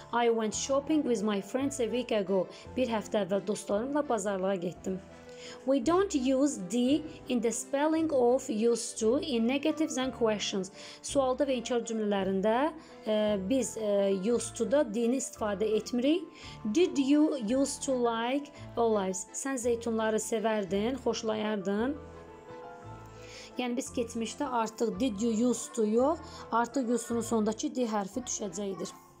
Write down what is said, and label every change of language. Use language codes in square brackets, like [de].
[en] I went shopping with my friends a week ago. [az] Bir həftə əvvəl dostlarımla bazarlığa getdim. [en] We don't use D in the spelling of used to in negatives and questions. [az] Sualda və inkar cümlələrində biz used to-da D-ni istifadə etmirik. [en] Did you used to like olives? [az] Sən zeytunları sevərdin, xoşlayardın. Yəni, biz keçmişdə artıq did you used to yox, artıq used to-nun sonundakı D hərfi düşəcəkdir.